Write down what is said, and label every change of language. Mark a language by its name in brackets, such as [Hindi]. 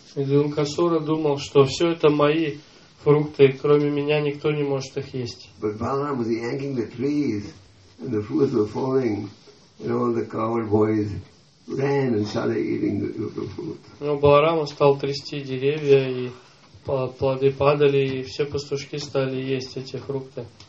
[Russian] Янукасура думал, что все это мои фрукты, кроме меня никто не может их есть. [English] But Balaram was yanking the trees, and the fruits were falling, and all the cowherd boys ran and started eating the fruits. [Russian] Но Баларам стал трясти деревья, и плоды падали, и все пастушки стали есть эти фрукты.